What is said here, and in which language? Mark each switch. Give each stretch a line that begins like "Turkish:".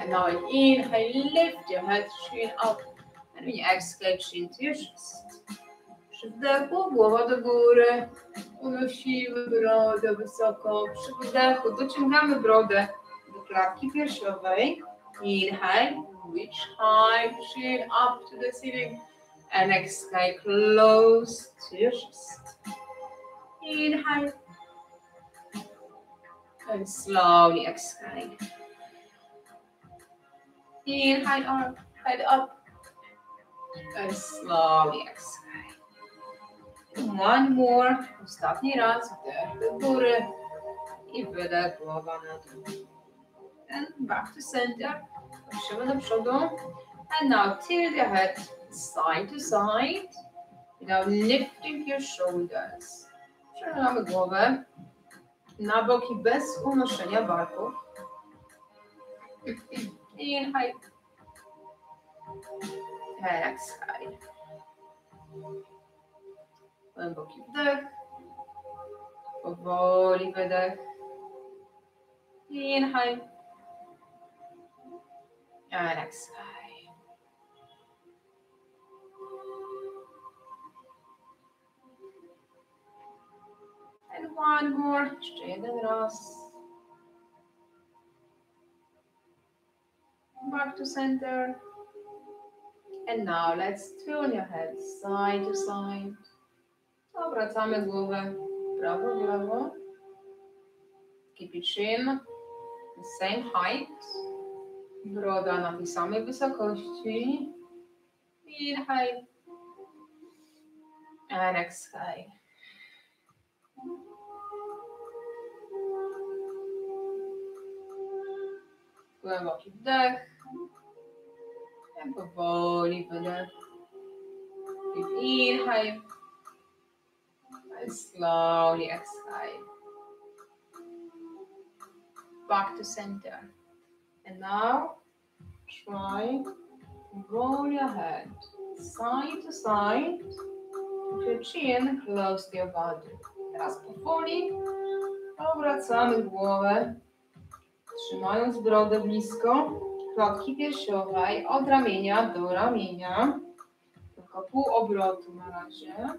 English: And now inhale, lift your head, chin up. And when you exhale, chin to your chest.
Polish: Przy wdechu głowa do góry, unosimy brodę wysoko. Przy wdechu dociągamy brodę do klatki piersiowej.
English: Inhale, reach high, chin up to the ceiling. And exhale, close to your chest. Inhale. And slowly exhale. Inhale, head up. And slowly exhale. One more,
Polish: ostatni raz, wdech do góry i wydech głowa na dół.
English: And back to center,
Polish: patrzymy do przodu.
English: And now tilt your head side to side, now lifting your shoulders.
Polish: Przerywamy głowę na boki bez unoszenia barków.
English: Inhale. And exhale.
Polish: Głęboki wdech, powoli wydech,
English: inhale, and exhale. And one more,
Polish: jeszcze jeden raz.
English: Back to center. And now let's turn your head side to side.
Polish: Obracamy głowę prawo w lewo.
English: Keep your chin the same height.
Polish: Broda na tej samej wysokości.
English: Inhale. And exhale.
Polish: Głęboki wdech. I powoli wydech.
English: Inhale. Slowly exhale. Back to center. And now try roll your head side to side. Put your chin close to your body.
Polish: Teraz powoli obracamy głowę, trzymając brodę blisko klatki piersiowej od ramienia do ramienia. Tylko pół obrotu na razie.